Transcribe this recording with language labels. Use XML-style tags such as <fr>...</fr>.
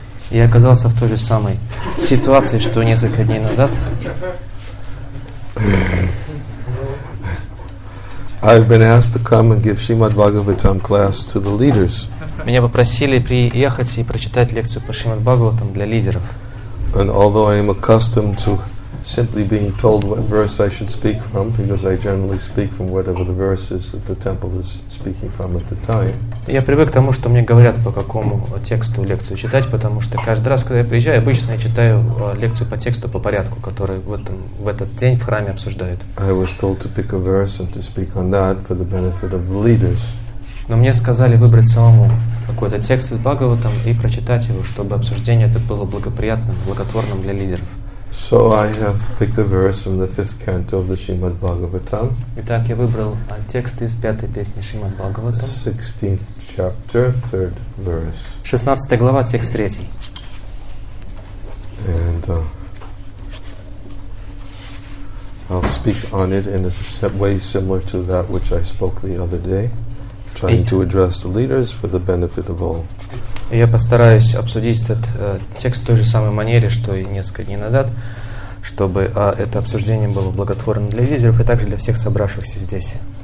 <ru>Я оказался в той же самой ситуации, что несколько дней назад.</ru> <en>I've been asked to come and give Shrimad Bhagavatam class to the leaders.</en> <ru>Меня попросили приехать и прочитать лекцию по Шримад Бхагаватам для лидеров.</ru> <en>And although I am accustomed to simply being told what verse I should speak from, because I generally speak from whatever the verse is that the temple is speaking from at the time.</en> <ru>Я привык к тому, что мне говорят по какому тексту лекцию читать, потому что каждый раз, когда я приезжаю, обычно я читаю лекцию по тексту по порядку, который в этот день в храме обсуждают.</ru> <en>I was told to pick a verse and to speak on that for the benefit of the leaders.</en> <ru>Но мне сказали выбрать самому какой-то текст из Бхагаватам и прочитать его, чтобы обсуждение это было благоприятным, благотворным для лидеров.</ru> <en>So I have picked a verse from the fifth canto of the Srimad Bhagavatam.</en> <ru>Итак, я выбрал текст из пятой песни Шримад Бхагаватам.</ru> <en>16th chapter, 3rd verse.</en> <ru>16 глава, текст 3.</ru> <en>And I'll speak on it in a way similar to that which I spoke the other day, trying to address the leaders for the benefit of all.</en> <ru>Я постараюсь обсудить этот текст в той же самой манере, что и несколько дней назад, чтобы это обсуждение было благотворным для лидеров и также для всех собравшихся здесь.</ru>